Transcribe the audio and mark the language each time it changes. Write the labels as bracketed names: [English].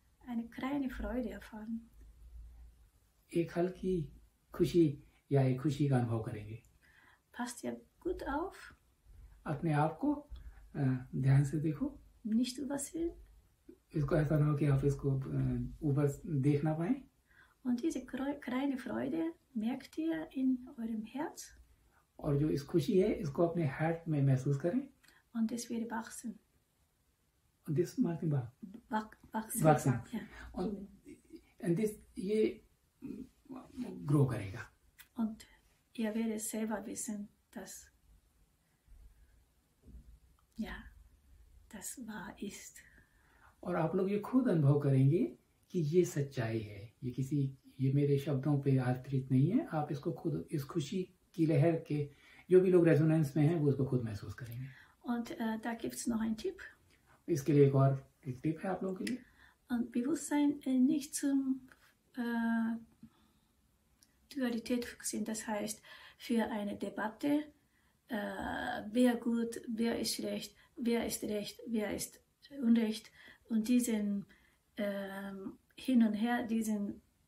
[German] eine kleine Freude erfahren, [Hindi] एक हल्की खुशी या एक खुशी का अनुभव करेंगे. [German] Passt ihr gut auf, [Hindi] अपने आप को ध्यान से देखो, [German] nicht übersehen, [Hindi] इसको ऐसा ना हो कि आप इसको ऊपर देख ना पाए. [German] Und diese kleine Freude merkt ihr in eurem Herz. [Hindi] और जो इस खुशी है इसको अपने हार्ट में महसूस करें. [German] Und das wird wachsen. Und das macht ihn wachsen. Und das [Hindi] ये [English] grow [Hindi] करेगा. [German] Und ihr werdet selber wissen, dass ja, das wahr ist. [Hindi] और आप लोग ये खुद अनुभव करेंगे कि ये सच्चाई है, ये किसी, ये मेरे शब्दों पे आधारित नहीं है. आप इसको खुद, इस खुशी की लहर के जो भी लोग रेजोनेंस में हैं वो इसको खुद महसूस करेंगे. [German] Und da gibt's noch ein Tipp. [Hindi] इसके लिए एक और एक टिप है आप लोगों के लिए. [German] Und Bewusstsein nicht zum Dualität fixieren, das heißt für eine Debatte, wer gut, wer ist schlecht, wer ist recht, wer ist unrecht und diesen hin und her, diesen